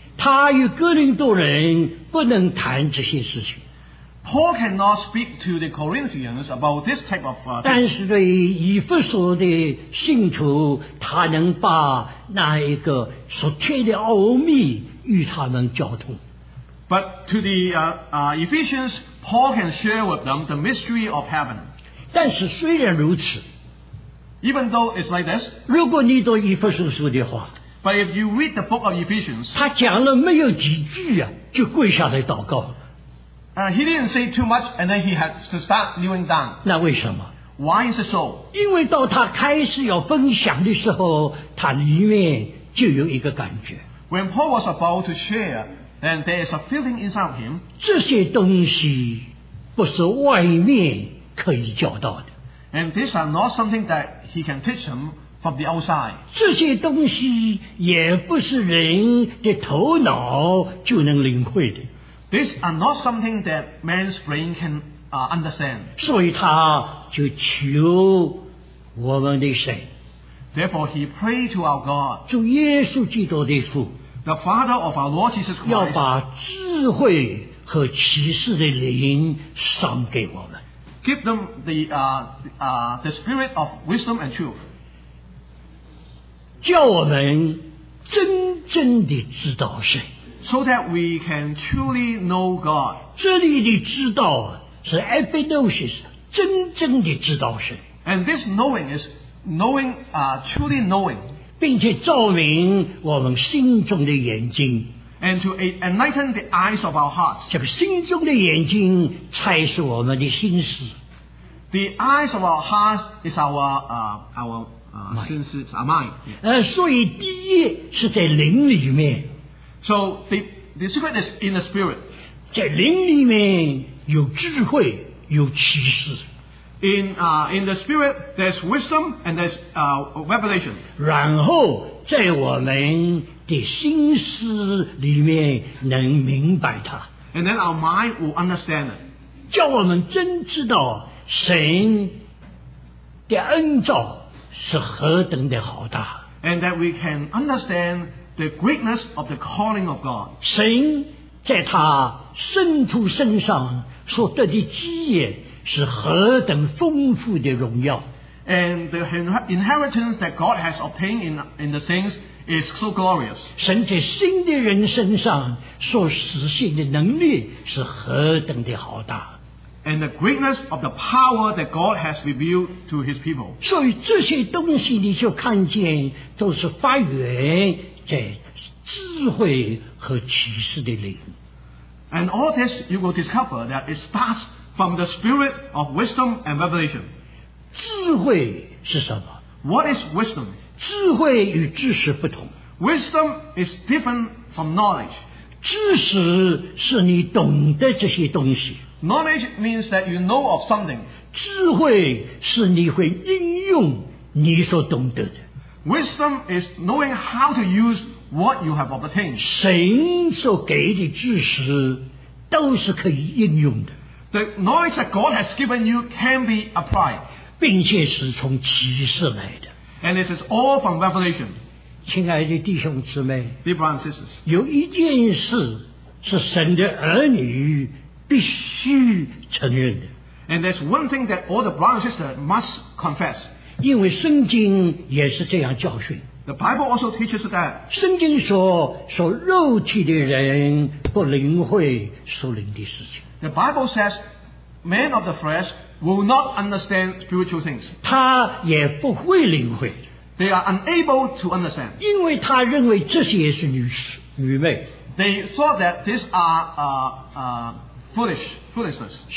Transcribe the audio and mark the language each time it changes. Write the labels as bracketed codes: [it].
[zh] 他与哥林多人不能谈这些事情。 [en] Paul cannot speak to the Corinthians about this type of thing. [zh] 但是对以弗所的信徒，他能把那一个属天的奥秘与他们交通。 [en] But to the Ephesians, Paul can share with them the mystery of heaven. [zh] 但是虽然如此 [en] ，Even though it's like this， [zh] 如果你读以弗所书的话 [en] ，But if you read the book of Ephesians， [zh] 他讲了没有几句啊，就跪下来祷告。 [en] He didn't say too much, and then he had to start kneeling down. [zh] 那为什么？ [en] Why is it so? [zh] 因为到他开始要分享的时候，他里面就有一个感觉。 [en] When Paul was about to share, then there is a feeling inside of him. [zh] 这些东西不是外面可以教导的。 [en] And these are not something that he can teach him from the outside. [zh] 这些东西也不是人的头脑就能领会的。 [en] These are not something that man's brain can understand. [zh] 所以他就求我们的神。 [en] Therefore, he prayed to our God. [zh] 主耶稣基督的父。 [en] The Father of our Lord Jesus Christ. [zh] 要把智慧和启示的灵赏给我们。 [en] Give them the spirit of wisdom and truth. [zh] 叫我们真正的知道神。 [en] So that we can truly know God. [zh] 这里的知道是 epinosis, 真正的知道神。 [en] And this knowing is knowing, truly knowing. [zh] 并且照明我们心中的眼睛。 [en] And to enlighten the eyes of our hearts. [zh] 这个心中的眼睛才是我们的心思。 [en] The eyes of our hearts is our 心思 our mind. [zh] 所以第一是在灵里面。 [en] So the secret is in the spirit. [zh] 在灵里面有智慧，有启示。 [en] In the spirit, there's wisdom and there's revelation. [zh] 然后在我们的心思里面能明白它。 [en] And then our mind will understand it. [zh] 叫我们真知道神的恩召是何等的浩大。 [en] And that we can understand. The greatness of the calling of God. [zh] 神在他圣徒身上所得的基业是何等丰富的荣耀。 [en] And the inheritance that God has obtained in the saints is so glorious. [zh] 神在新的人身上所实现的能力是何等的浩大。 [en] And the greatness of the power that God has revealed to his people. [zh] 所以这些东西你就看见都是发源在智慧和启示的灵。 [en] And all this you will discover that it starts from the spirit of wisdom and revelation. [zh] 智慧是什么？ [en] What is wisdom? [zh] 智慧与知识不同。 [en] Wisdom is different from knowledge. [zh] 知识是你懂得这些东西。 [en] Knowledge means that you know of something. [zh] 智慧是你会应用你所懂得的。 [en] Wisdom is knowing how to use what you have obtained. [zh] 神所给的知识都是可以应用的。 [en] the knowledge that God has given you can be applied. [zh] 并且是从启示来的。 [en] And this is all from Revelation. [zh] 亲爱的弟兄姊妹, [en] Dear brothers and sisters, [zh] 有一件事是神的儿女必须承认的。 [en] And there's one thing that all the brothers and sisters must confess. [zh] 因为圣经也是这样教训。 [en] The Bible also teaches that [zh] 圣经说肉体的人不领会属灵的事情。 [en] The Bible says men of the flesh will not understand spiritual things. [zh] 他也不会领会。 [en] They are unable to understand. [zh] 因为他认为这些是愚昧。 [en] They thought that these are foolishness.